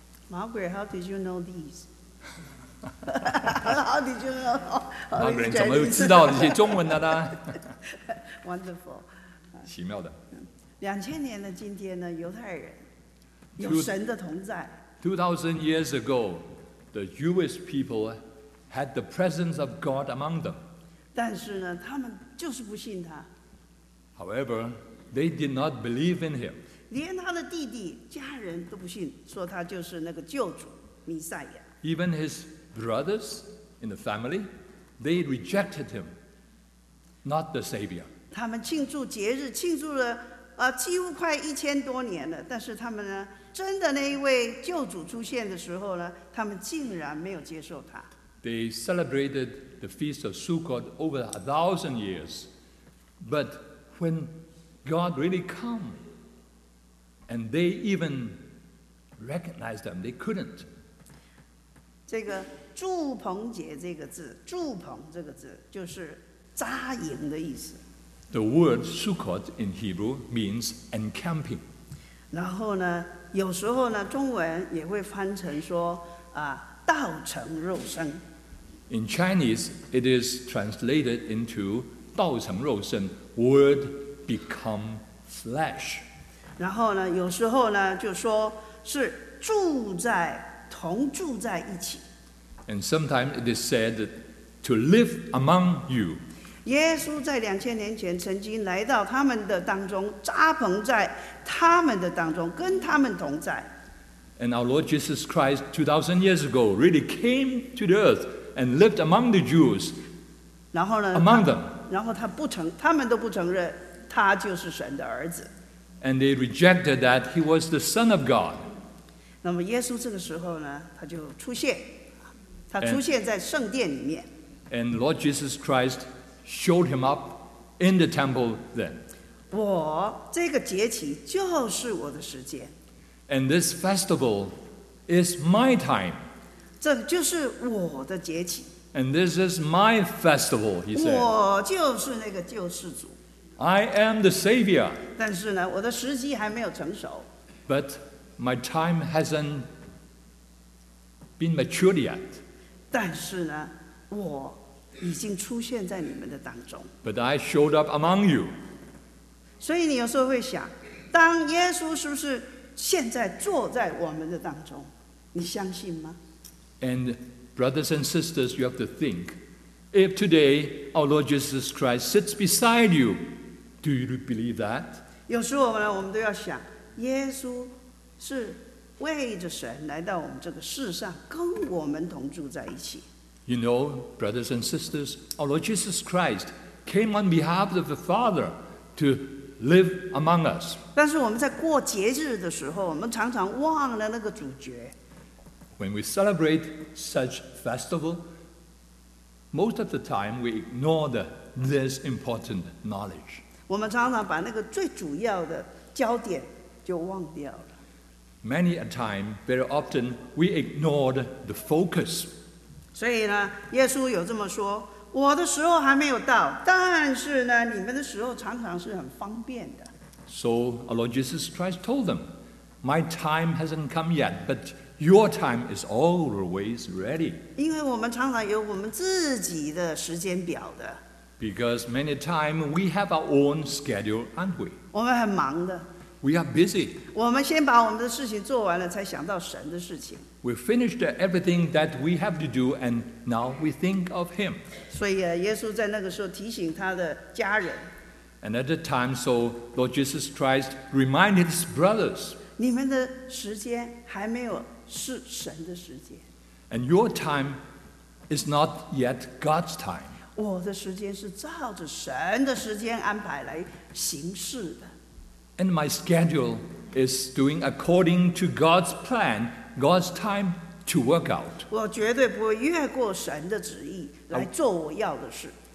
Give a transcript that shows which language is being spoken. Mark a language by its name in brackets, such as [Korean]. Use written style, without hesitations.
[English] Margaret, how did you know these? How did you know? [Chinese] Margaret, 怎么知道这些中文的呢 [English] ？Wonderful， [Chinese] 奇妙的。两千年的今天呢，犹太人有神的同在。 [English] 2,000 years ago. The Jewish people had the presence of God among them. [Chinese] 但是呢，他们就是不信他。 [English] However, they did not believe in him. [Chinese] 连他的弟弟、家人都不信，说他就是那个救主、弥赛亚。 [English] Even his brothers in the family, they rejected him, not the Savior. [Chinese] 他们庆祝节日，庆祝了几乎快一千多年了，但是他们呢？真的那一位救主出现的时候呢，他们竟然没有接受他。 [English] They celebrated the Feast of Sukkot over 1,000 years. But when God really come, and they even recognized them, they couldn't. [Chinese] 这个祝棚节这个字，祝棚这个字就是扎营的意思。 [English] The word Sukkot in Hebrew means encamping. [Chinese] 然后呢，有时候呢，中文也会翻成说啊，道成肉身。 [English] In Chinese, it is translated into [Chinese] 道成肉身 [English] word become flesh. [Chinese] 然后呢，有时候呢，就说是住在同住在一起。 [English] And sometimes it is said to live among you. [Chinese] 耶稣在2000年前曾经来到他们的当中，扎棚在他们的当中，跟他们同在。 [English] And our Lord Jesus Christ 2,000 years ago really came to the earth and lived among the Jews. [Chinese] 然后呢 [English] ？Among them. [Chinese] 然后他不承，他们都不承认他就是神的儿子。 [English] And they rejected that he was the Son of God. [Chinese] 那么耶稣这个时候呢，他就出现。他出现在圣殿里面。 [English] And Lord Jesus Christ showed him up in the temple then. [Chinese] 我这个节期就是我的时间。 [English] And this festival is my time. [Chinese] 这就是我的节期。 [English] And this is my festival, he said. [Chinese] 我就是那个救世主。 [English] I am the Savior. [Chinese] 但是呢，我的时机还没有成熟。 [English] But my time hasn't been matured yet. [Chinese] 但是呢，我已经出现在你们的当中。 [English] But I showed up among you. [Chinese] 所以你有时候会想，当耶稣是不是现在坐在我们的当中？你相信吗 [English] ？And brothers and sisters, you have to think, if today our Lord Jesus Christ sits beside you, do you believe that? [Chinese] 有时候呢，我们都要想，耶稣是。为着神来到我们这个世上，跟我们同住在一起。 [English] You know, brothers and sisters, our Lord Jesus Christ came on behalf of the Father to live among us. [Chinese] 但是我们在过节日的时候，我们常常忘了那个主角。 [English] When we celebrate such festival, most of the time we ignore this important knowledge. [Chinese] 我们常常把那个最主要的焦点就忘掉了。 [English] Many a time, very often, we ignored the focus. [Chinese] 所以呢，耶稣有这么说：“我的时候还没有到，但是呢，你们的时候常常是很方便的。” [English] So our Lord Jesus Christ told them, "My time hasn't come yet, but your time is always ready." [Chinese] 因为我们常常有我们自己的时间表的。 [English] Because many a time we have our own schedule, aren't we? [Chinese] 我们很忙的。 [English] We are busy. [Chinese] 我们先把我们的事情做完了，才想到神的事情。 [English] We finished everything that we have to do, and now we think of Him. [Chinese] 所以，耶稣在那个时候提醒他的家人。 [English] And at the time, so Lord Jesus Christ reminded his brothers. [Chinese] 你们的时间还没有是神的时间。 [English] And your time is not yet God's time. [Chinese] 我的时间是照着神的时间安排来行事的。 [English] And my schedule is doing according to God's plan, God's time to work out. [Chinese] 我绝对不会越过神的旨意来做我要的事。